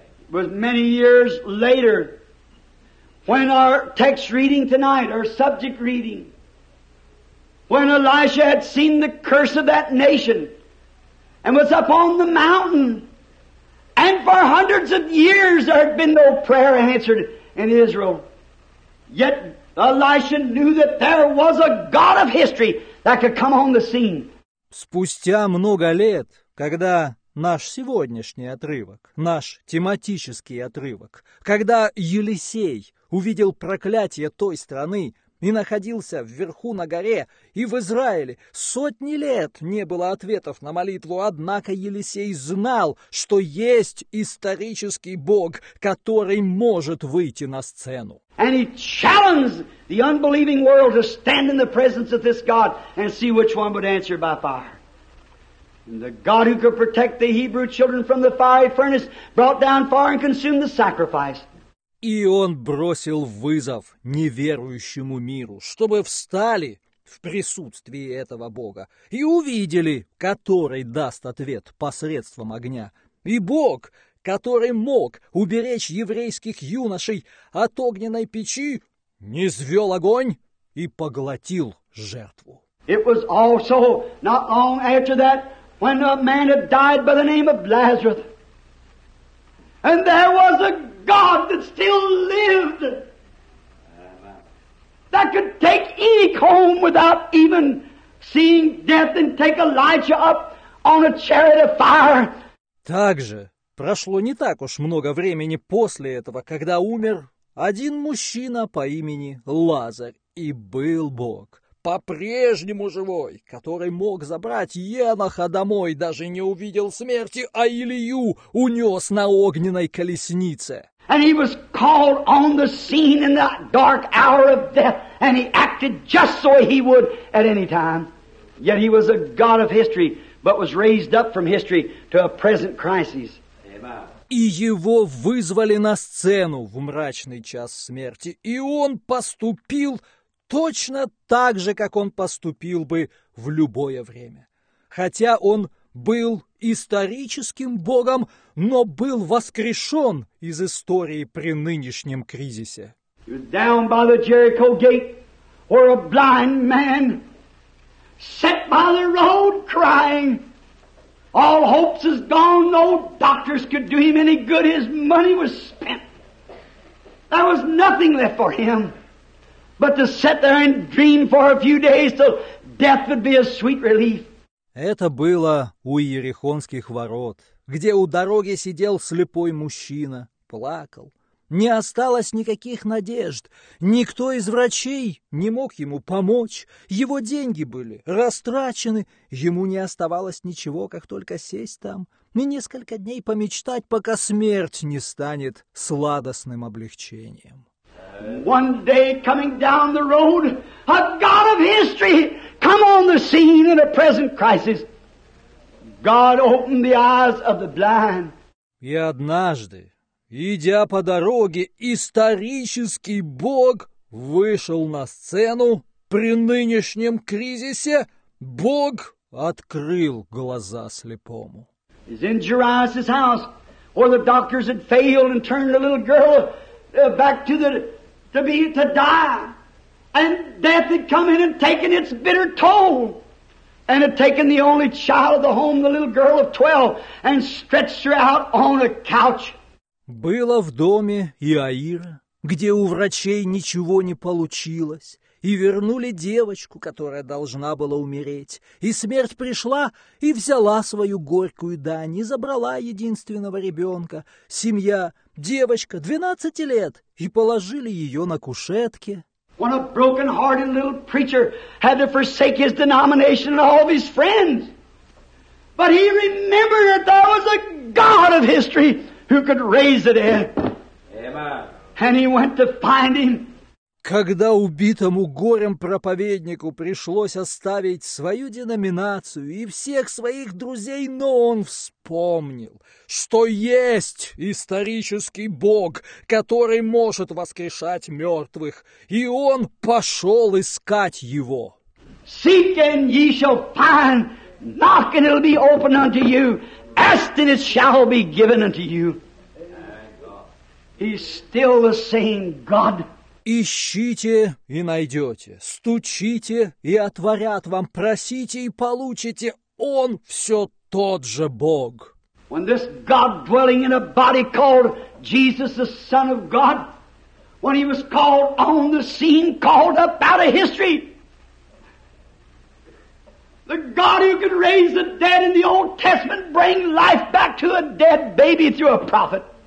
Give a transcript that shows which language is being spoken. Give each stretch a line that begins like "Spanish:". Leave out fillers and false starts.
English: But many years later, when our text reading tonight, our subject reading, when Elisha had seen the curse of that nation and was up on the mountain And for hundreds of years there had been no prayer answered in Israel. Yet Elisha knew that there was a God of history that could come on the scene.
Russian: Спустя много лет, когда наш сегодняшний отрывок, наш тематический отрывок, когда Елисей увидел проклятие той страны и находился вверху на горе, и в Израиле сотни лет не было ответов на молитву, однако Елисей знал, что есть исторический Бог, который может выйти на сцену.
English: And he challenged the unbelieving world to stand in the presence of this God and see which one would answer by fire. And the God who could protect the Hebrew children from the fiery furnace brought down fire and consumed the sacrifice.
Russian: И он бросил вызов неверующему миру, чтобы встали в присутствии этого Бога и увидели, который даст ответ посредством огня. И Бог, который мог уберечь еврейских юношей от огненной печи, низвел огонь и поглотил жертву.
English: It was also not long after that when a man had died by the name of Lazarus. And there was a God that still lived, that could take any home without even seeing death and take Elijah up on a chariot of fire.
Russian: Также прошло не так уж много времени после этого, когда умер один мужчина по имени Лазарь, и был Бог, по-прежнему живой, который мог забрать Еноха домой, даже не увидел смерти, а Илью унес на огненной колеснице.
English: And he was called on the scene in that dark hour of death, and he acted just so he would at any time. Yet he was a God of history, but was raised up from history to a present crisis.
Russian: И его вызвали на сцену в мрачный час смерти, и он поступил точно так же, как он поступил бы в любое время. Хотя он был историческим Богом, но был воскрешен из истории при нынешнем кризисе.
English: He was down by the Jericho gate, where a blind man sat by the road crying. All hopes is gone, no doctors could do him any good, his money was spent. There was nothing left for him but to sit there and dream for a few days till death would be a sweet relief.
Russian: Это было у Иерихонских ворот, где у дороги сидел слепой мужчина, плакал. Не осталось никаких надежд, никто из врачей не мог ему помочь, его деньги были растрачены, ему не оставалось ничего, как только сесть там и несколько дней помечтать, пока смерть не станет сладостным облегчением.
English: One day, coming down the road, a God of history come on the scene in a present crisis. God opened the eyes of the blind.
Russian: И однажды, идя по дороге, исторический Бог вышел на сцену при нынешнем кризисе. Бог открыл глаза слепому.
English: He's in Jairus' house, where the doctors had failed and turned the little girl back to the... to be to die, and death had come in and taken its bitter toll, and had taken the only child of the home, the little girl of 12, and stretched her out on a couch.
Russian: Было в доме Иаира, где у врачей ничего не получилось, и вернули девочку, которая должна была умереть. И смерть пришла и взяла свою горькую дань, и забрала единственного ребенка. Семья, девочка, 12 лет, и положили ее на кушетке.
English: When a broken-hearted little preacher had to forsake his denomination and all of his friends. But he remembered that there was a God of history who could raise the dead. And he went to find him.
Russian: Когда убитому горем проповеднику пришлось оставить свою деноминацию и всех своих друзей, но он вспомнил, что есть исторический Бог, который может воскрешать мертвых, и он пошел искать его.
English: Seek and ye shall find, knock and it'll be opened unto you, ask and it shall be given unto you. He's still the same God.
Russian: Ищите и найдете, стучите и отворят вам, просите и получите. Он все тот же Бог.
English: When this God dwelling in a body called Jesus, the Son of God, when he was called on the scene, called up out of history. The God who could raise the dead in the Old Testament, bring life back to a dead baby through a prophet.